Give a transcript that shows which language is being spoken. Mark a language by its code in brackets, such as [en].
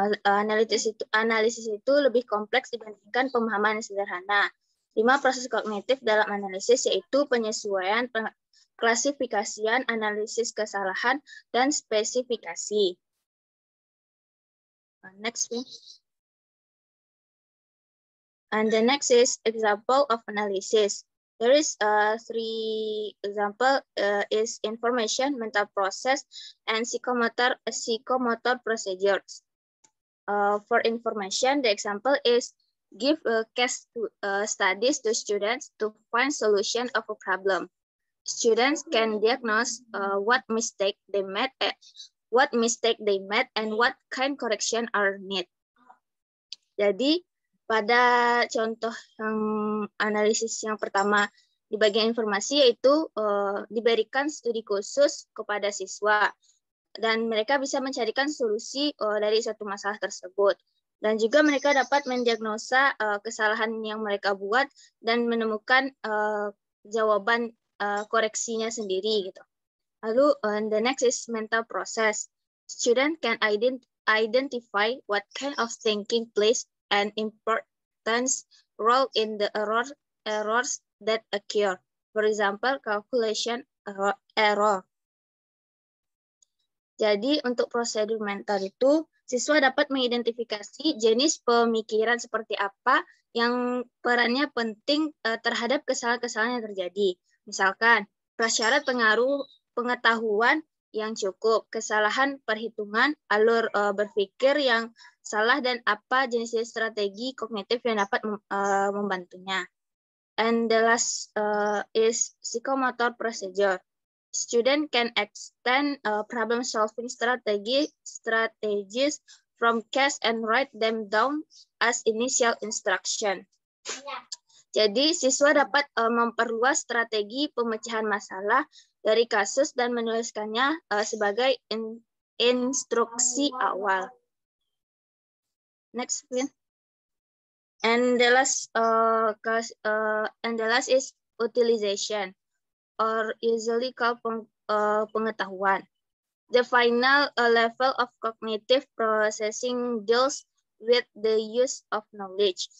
[id] Analisis itu lebih kompleks dibandingkan pemahaman yang sederhana. 5 proses kognitif dalam analisis yaitu penyesuaian, klasifikasian, analisis kesalahan, dan spesifikasi. [en] Next one. And the next is example of analysis. There is three example is information, mental process, and psychomotor procedures. For information, the example is give a case to, studies to students to find solution of a problem. Students can diagnose what mistake they made and what kind correction are need. [id] Jadi pada contoh yang analisis yang pertama di bagian informasi yaitu diberikan studi khusus kepada siswa dan mereka bisa mencarikan solusi dari satu masalah tersebut dan juga mereka dapat mendiagnosa kesalahan yang mereka buat dan menemukan jawaban koreksinya sendiri gitu. [en] Lalu the next is mental process. Student can identify what kind of thinking plays an important role in the errors that occur. For example, calculation error. [id] Jadi untuk prosedur mental itu, siswa dapat mengidentifikasi jenis pemikiran seperti apa yang perannya penting terhadap kesalahan-kesalahan yang terjadi. Misalkan, prasyarat pengaruh pengetahuan yang cukup, kesalahan perhitungan, alur berpikir yang salah, dan apa jenis strategi kognitif yang dapat membantunya. [en] And the last is psychomotor procedure. Student can extend problem solving strategies from case and write them down as initial instruction. [id] Jadi siswa dapat memperluas strategi pemecahan masalah dari kasus dan menuliskannya sebagai instruksi awal. [en] Next, please. And the last is utilization, or usually called pengetahuan. The final level of cognitive processing deals with the use of knowledge.